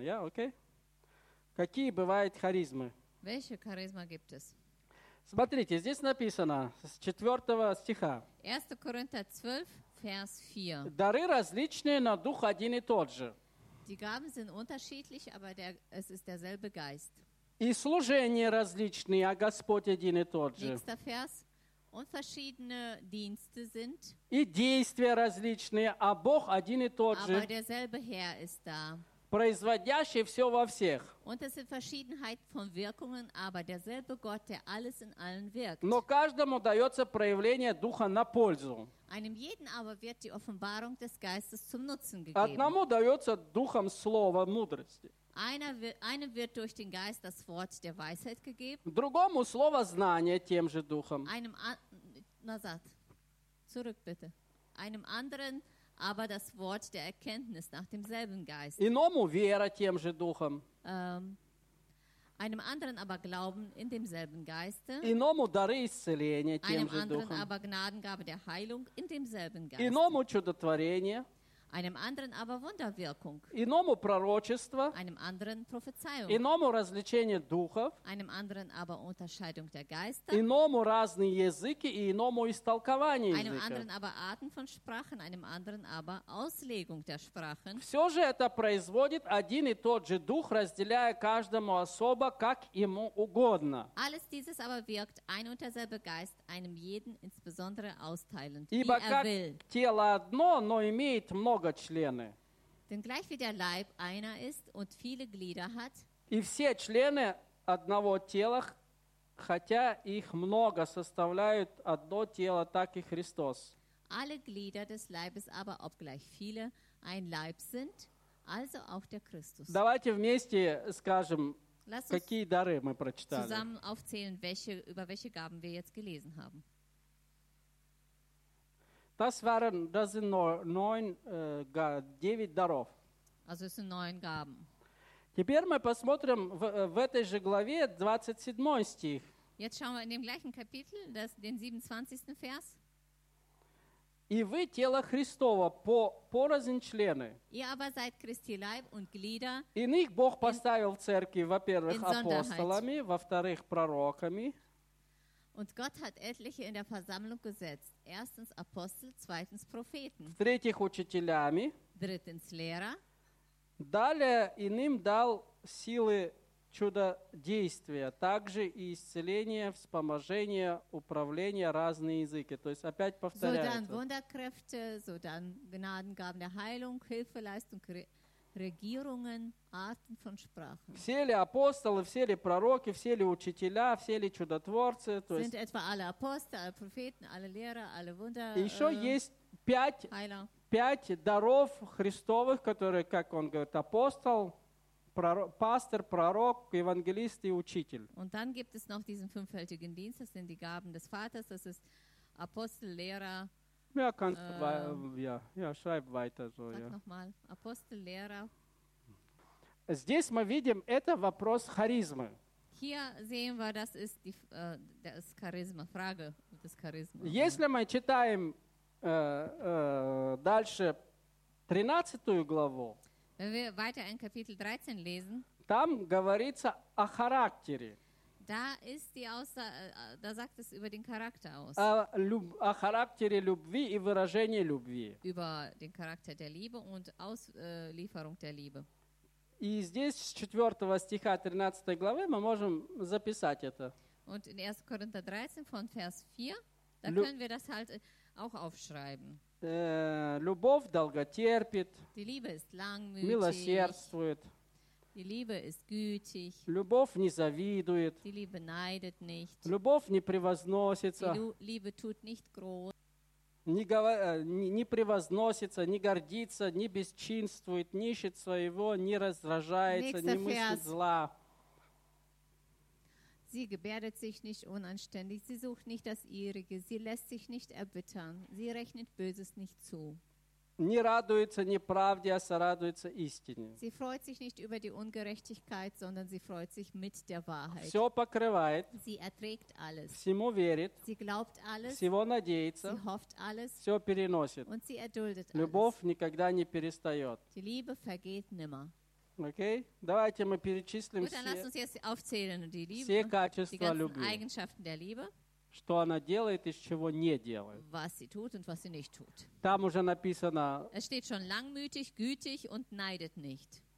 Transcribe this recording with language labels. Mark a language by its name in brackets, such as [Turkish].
[German] Ja, okay? [Russian] Какие бывают харизмы? [German] Welche Charisma gibt es? [Russian] Смотрите, здесь написано с 4 стиха. 1 Коринфян 12, [German] Vers 4. [Russian] Дары различные, но дух один и тот же. [German] Die Gaben sind unterschiedlich, aber der, es ist derselbe Geist. [Russian] И служения различные, а Господь один и тот же. [German] Nächster Vers. Und verschiedene Dienste sind. [Russian] И действия различные, а Бог один и тот же. [German] Aber derselbe Herr ist da. [Russian] Производящий все во всех. [German] Und es sind Verschiedenheit von Wirkungen, aber derselbe Gott, der alles in allen wirkt. [Russian] Но каждому дается проявление Духа на пользу. [German] Einem jeden aber wird die Offenbarung des Geistes zum Nutzen gegeben. [Russian] Одному дается Духом слово мудрости. [German] Einem wird durch den Geist das Wort der Weisheit gegeben. [Russian] Другому слово знания тем же духом. [German] Einem [Russian] назад. [German] Zurück bitte. Einem anderen aber das Wort der Erkenntnis nach demselben Geist. [Russian] Иному вера тем же духом. [German] Einem anderen aber Glauben in demselben Geiste. [Russian] Иному дары исцеления тем же духом. [German] Einem anderen aber Gnadengabe der Heilung in demselben Geist. [Russian] Иному чудотворение. [German] einem anderen aber Wunderwirkung, [Russian] иному пророчество, [German] einem anderen Prophezeiung, [Russian] иному развлечение духов, [German] einem anderen aber Unterscheidung der Geister, [Russian] иному разные языки и иному истолкование языка, [German] einem anderen aber Arten von Sprachen, einem anderen aber Auslegung der Sprachen. [Russian] Все же это производит один и тот же дух, разделяя каждому особо, как ему угодно. [German] Alles dieses aber wirkt ein und derselbe Geist, einem jeden insbesondere austeilend, [Russian] ибо [German] wie er will. [Russian] Тело одно, но имеет много члены. [German] Denn gleich wie der Leib einer ist und viele Glieder hat, [Russian] и все члены одного тела, хотя их много, составляют одно тело, так и Христос. [German] Alle Glieder des Leibes aber, obgleich viele, ein Leib sind, also auch der Christus. [Russian] Давайте вместе скажем, какие дары мы прочитали. [German] Zusammen aufzählen, welche, über welche Gaben wir jetzt gelesen haben. Das sind neun Gaben. Also es sind neun Gaben. [Russian] Теперь мы посмотрим в этой же главе 27 стих. [German] Jetzt schauen wir in dem gleichen Kapitel, das, den 27. Vers. [Russian] И вы тело Христово порознь члены. [German] Ihr aber seid Christi Leib und Glieder. [Russian] Иных Бог поставил в церкви, во-первых, апостолами, во-вторых, пророками. [German] Und Gott hat etliche in der Versammlung gesetzt. Erstens Apostel, zweitens Propheten. [Russian] В-третьих, учителями. [German] Drittens Lehrer. [Russian] Далее иным дал силы чудодействия, также и исцеление, вспоможение, управление, разные языки. То есть опять повторяется. [German] So dann Wunderkräfte, so dann Gnadengaben der Heilung, Hilfeleistung, Regierungen, Arten von Sprachen. [Russian] Все ли апостолы, все ли пророки, все ли учителя, все ли чудотворцы? То [German] sind etwa alle Apostel, alle Propheten, alle Lehrer, alle Wunder? [Russian] Еще есть пять даров Христовых, которые, как он говорит, апостол, пастор, пророк, евангелист и учитель. [German] Und dann gibt es noch diesen fünffältigen Dienst, das sind die Gaben des Vaters, das ist Apostel, Lehrer. Ja, kannst du schreib weiter so. Sag ja. Nochmal, Apostel, Lehrer. [Russian] Здесь мы видим, это вопрос харизмы. [German] Hier sehen wir, das ist die das Charisma, Frage des Charisma. [Russian] Если мы читаем дальше 13 главу, [German] wenn wir weiter in Kapitel 13 lesen, [Russian] там говорится о характере. [German] Da ist die Aussage, da sagt es über den Charakter aus. [Russian] О характере любви и выражение любви. [German] Über den Charakter der Liebe und Auslieferung der Liebe. [Russian] И здесь с 4 стиха 13 главы мы можем записать это. [German] Und in 1. Korinther 13 von Vers 4, da können wir das halt auch aufschreiben. [Russian] Любовь долготерпит. [German] Die Liebe ist langmütig. [Russian] Милосердствует. [German] Die Liebe ist gütig. [Russian] Любовь не завидует. [German] Die Liebe neidet nicht. [Russian] Любовь не превозносится. [German] Die Liebe tut nicht groß. [Russian] Не превозносится, не гордится, не бесчинствует, не ищет своего, не раздражается, не мыслит зла. [German] Sie gebärdet sich nicht unanständig, sie sucht nicht das Ihrige, sie lässt sich nicht erbittern, sie rechnet Böses nicht zu. [Russian] Не радуется не правде, а сорадуется истине. [German] Sie freut sich nicht über die Ungerechtigkeit, sondern sie freut sich mit der Wahrheit. [Russian] Все покрывает. [German] Sie erträgt alles. [Russian] Всему верит. [German] Sie glaubt alles. [Russian] Всего надеется. [German] Sie hofft alles. [Russian] Все переносит. [German] Und sie erduldet alles. [Russian] Любовь никогда не перестает. [German] Die Liebe vergeht nimmer. [Russian] Okay? Давайте мы перечислим [German] Gut, dann lass uns jetzt aufzählen, die Liebe, [Russian] все качества [German] die ganzen [Russian] любви. [German] Eigenschaften der Liebe. [Russian] Что она делает и чего не делает. [German] Was sie tut und was sie nicht tut. [Russian] Там уже написано. [German] Es steht schon langmütig, gütig und neidet nicht.